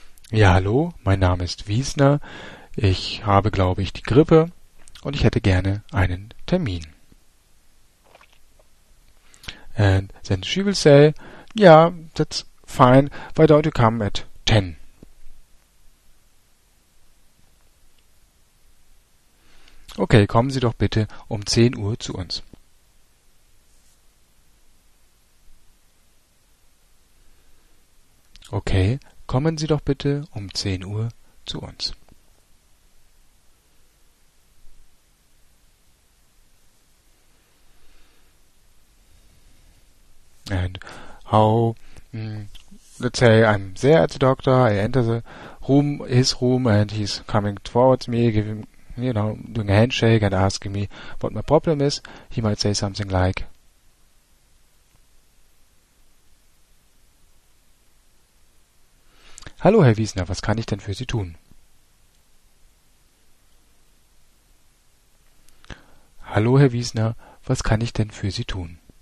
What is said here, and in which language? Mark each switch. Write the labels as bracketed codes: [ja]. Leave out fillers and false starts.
[de] Ja, hallo, mein Name ist Wiesner. Ich habe, glaube ich, die Grippe und ich hätte gerne einen Termin. [en] And then she will say, ja, that's fine. Why don't you come at 10? [de] Okay, kommen Sie doch bitte um 10 Uhr zu uns. Okay, kommen Sie doch bitte um 10 Uhr zu uns. [en] And how, let's say I'm there at the doctor, I enter the room, his room, and he's coming towards me, giving, you know, doing a handshake and asking me what my problem is. He might say something like, [de] "Hallo, Herr Wiesner, was kann ich denn für Sie tun?" Hallo, Herr Wiesner, was kann ich denn für Sie tun?